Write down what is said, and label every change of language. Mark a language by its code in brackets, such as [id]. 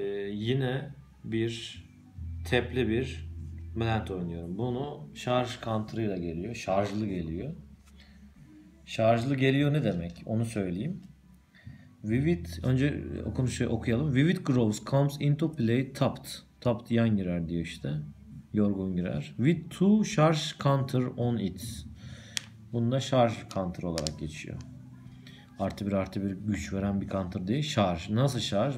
[tr] Yine bir tepli bir lent oynuyorum. Bunu şarj counter'ıyla geliyor. Şarjlı geliyor. Şarjlı geliyor ne demek? Onu söyleyeyim. Vivid, önce okunuşu okuyalım. [en] Vivid Groves comes into play tapped. [tr] Tapped yan girer diyor işte. Yorgun girer. [en] With two charge counter on it. [tr] Bunda charge counter olarak geçiyor. +1/+1 güç veren bir counter değil. Şarj. Nasıl şarj?